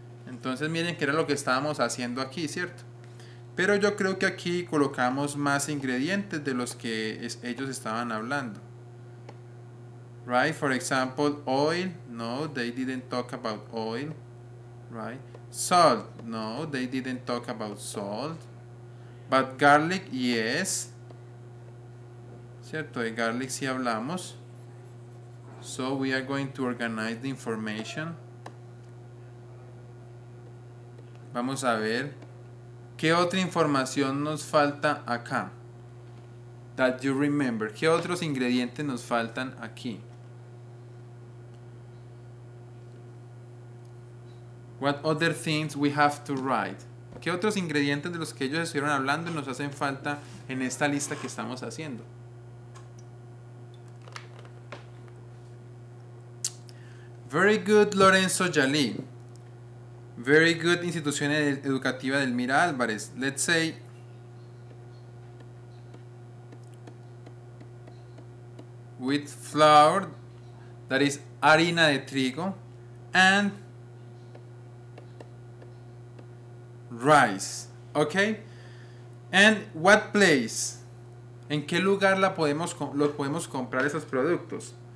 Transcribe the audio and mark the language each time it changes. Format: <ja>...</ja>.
<es>Entonces, miren que era lo que estábamos haciendo aquí, ¿cierto? Pero yo creo que aquí colocamos más ingredientes de los que ellos estaban hablando.</es> <en>Right, for example, oil, no, they didn't talk about oil, right? Salt, no, they didn't talk about salt. But garlic, yes.</en> <es>Cierto, de garlic sí hablamos.</es> <en>So we are going to organize the information.</en> <es>Vamos a ver, ¿qué otra información nos falta acá?</es> <en>That you remember,</en> <es>¿qué otros ingredientes nos faltan aquí?</es> <en>What other things we have to write?</en> <es>¿Qué otros ingredientes de los que ellos estuvieron hablando nos hacen falta en esta lista que estamos haciendo?</es> <en>Very good, Lorenzo Yalí. Very good, Institución Educativa del Mira Álvarez. Let's say, with flour, that is</en> <es>harina de trigo,</es> <en>and rice, okay? And what place?</en> <es>¿En qué lugar los podemos comprar esos productos?</es>